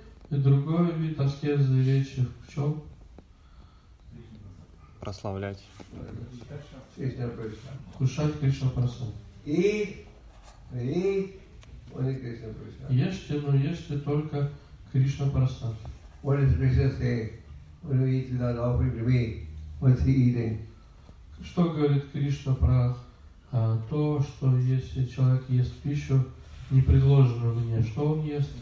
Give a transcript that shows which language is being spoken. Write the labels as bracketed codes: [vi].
[ru] И другой вид аскезы речи в чем? Прославлять. Кушать Кришна Прасад. Ешьте, но ешьте только Кришна Прасад. [en] What does Krishna say? When you eat without offering to me, what's he eating? [ru] Что говорит Кришна про то, что если человек ест пищу, не предложенную мне, что он ест?